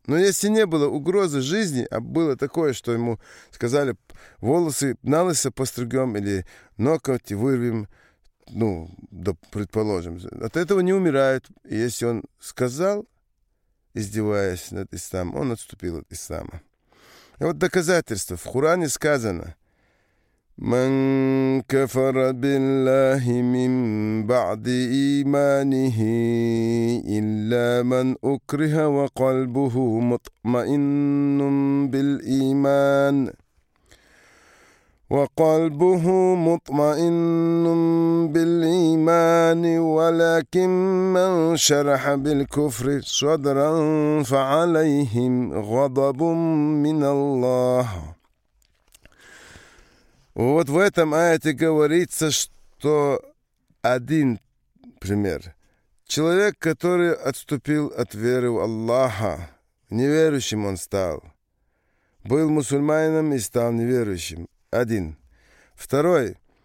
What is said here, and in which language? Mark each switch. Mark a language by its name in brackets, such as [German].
[Russian] Но если не было угрозы жизни, а было такое, что ему сказали, волосы на лысо постригем или ноготь вырвем, ну, да, предположим, от этого не умирают. И если он сказал, издеваясь над исламом, он отступил от ислама. И вот доказательство. В Коране сказано, [Arabic] من كفر بالله من بعد إيمانه إلا من أكره وقلبه مطمئن بالإيمان وقلبه مطمئن بالإيمان ولكن من شرح بالكفر صدرا فعليهم غضب من الله. [Russian] Вот в этом аяте говорится, что один пример. Человек, который отступил от веры в Аллаха, неверующим он стал. Был мусульманином и стал неверующим. Один. Второй.